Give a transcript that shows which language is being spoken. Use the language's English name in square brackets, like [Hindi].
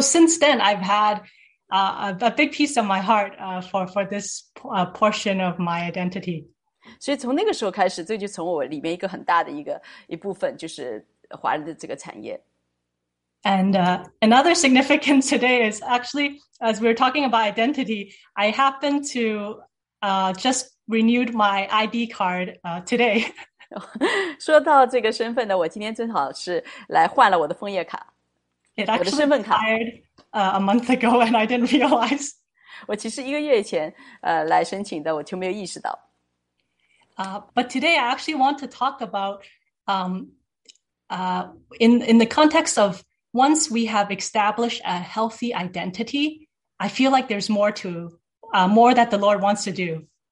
[English] since then, I've had a big piece of my heart for this portion of my identity. [Chinese] 所以从那个时候开始，这就从我里面一个很大的一个一部分，就是华人的这个产业。 [English] And another significance today is actually, as we were talking about identity, I happened to just renewed my ID card today. [Chinese] 说到这个身份呢，我今天正好是来换了我的枫叶卡，我的身份卡。 [English] It actually expired a month ago, and I didn't realize. [Chinese] 我其实一个月前来申请的，我就没有意识到。 [English] But today, I actually want to talk about in the context of once we have established a healthy identity, I feel like there's more to more that the Lord wants to do.